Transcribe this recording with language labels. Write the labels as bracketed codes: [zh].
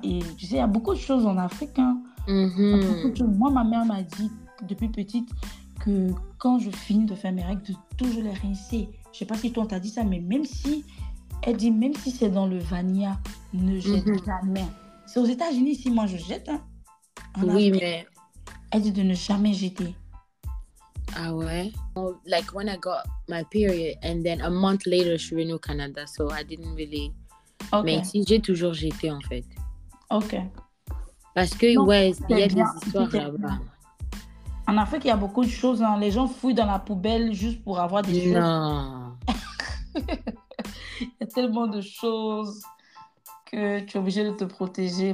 [fr] Et tu sais, il y a beaucoup de choses en Afrique. Hein. Moi, ma mère m'a dit depuis petite que quand je finis de faire mes règles, de toujours les rincer. Je sais pas si toi, on t'a dit ça, mais même si c'est dans le vanilla, ne jette jamais. C'est aux États-Unis, si moi je jette. Hein. Oui, mais. Elle dit de ne jamais jeter. Ah ouais? [en] Well, like when I got my period, and then a month later, [fr] je suis venue au Canada, [en] so I didn't really. Okay. [fr] Mais si j'ai toujours jeté, en fait. Ok. Parce que, il y a des histoires là-bas. En Afrique, il y a beaucoup de choses. Hein. Les gens fouillent dans la poubelle juste pour avoir des choses. Non. Il y a tellement de choses. Tu es obligé de te protéger.